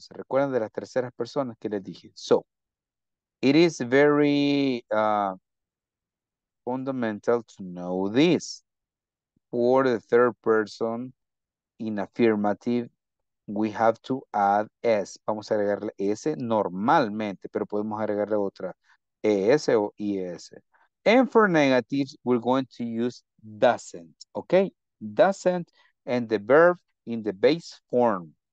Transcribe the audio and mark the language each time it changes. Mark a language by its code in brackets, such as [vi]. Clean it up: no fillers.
[es] ¿Se recuerdan de las terceras personas que les dije? [en] So, it is very fundamental to know this. For the third person in affirmative, we have to add S. [es] Vamos a agregarle S normalmente, pero podemos agregarle otra ES o IS. [en] And for negatives, we're going to use doesn't, okay? Doesn't and the verb in the base form.